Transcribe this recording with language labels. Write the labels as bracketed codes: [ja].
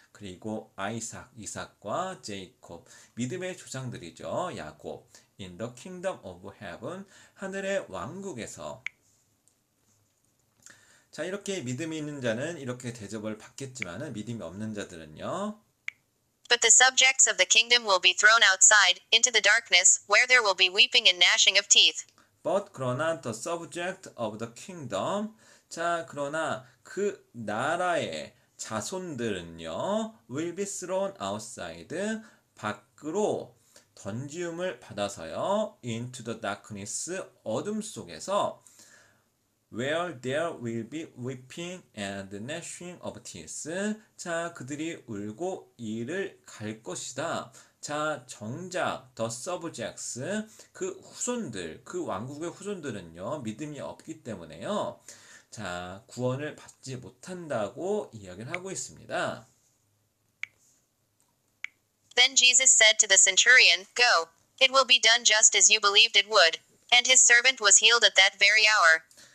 [ko] 그리고 아이삭, 이삭과 제이콥, 믿음의 조상들이죠, 야곱. [en] In the kingdom of heaven, [ko] 하늘의 왕국에서. 자, 이렇게 믿음이 있는 자는 이렇게 대접을 받겠지만, 믿음이 없는 자들은요. [en] But the subjects of the kingdom will be thrown outside, into the darkness, where there will be weeping and gnashing of teeth. But, [ko] 그러나, [en] the subject of the kingdom, [ko] 자, 그러나, 그 나라의 자손들은요, [en] will be thrown outside, [ko] 밖으로, 던지움을 받아서요, [en] into the darkness, [ko] 어둠 속에서, [en] where there will be weeping and gnashing of teeth. [ko] 자, 그들이 울고 이를 갈 것이다. 자, 정작, [en] the subjects, [ko] 그 후손들, 그 왕국의 후손들은요, 믿음이 없기 때문에요, 자, 구원을 받지 못한다고 이야기를 하고 있습니다. [en] Then Jesus said to the centurion, Go, it will be done just as you believed it would. And his servant was healed at that very hour.